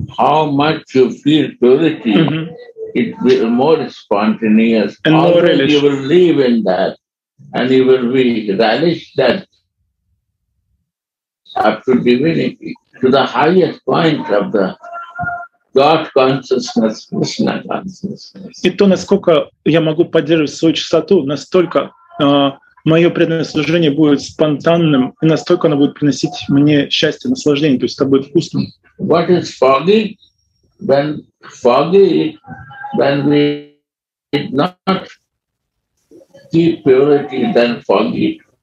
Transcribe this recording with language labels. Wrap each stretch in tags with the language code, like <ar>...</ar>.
<en>How much you feel purity, it will more spontaneous. And although more relish. You will live in that and you will be relish that up to divinity, to the highest point of the God consciousness, Krishna consciousness.</en> <ru>И то, насколько я могу поддерживать свою чистоту, настолько мое преданное служение будет спонтанным, и настолько оно будет приносить мне счастье, наслаждение, то есть это будет вкусным.</ru> <en>What is foggy? When we did not keep purity, then foggy.</en>